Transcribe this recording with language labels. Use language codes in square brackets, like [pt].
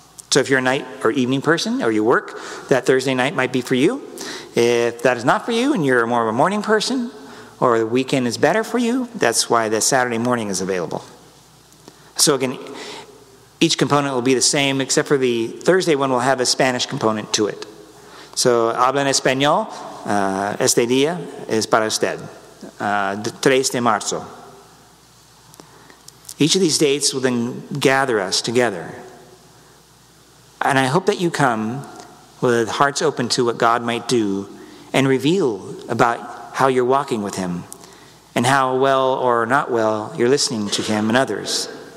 [en] So if you're a night or evening person or you work, that Thursday night might be for you. If that is not for you and you're more of a morning person or the weekend is better for you, that's why the Saturday morning is available. So again, each component will be the same, except for the Thursday one will have a Spanish component to it. [es] So, habla en español, este día es para usted, 3 de marzo. [en] Each of these dates will then gather us together. And I hope that you come with hearts open to what God might do and reveal about how you're walking with him and how well or not well you're listening to him and others.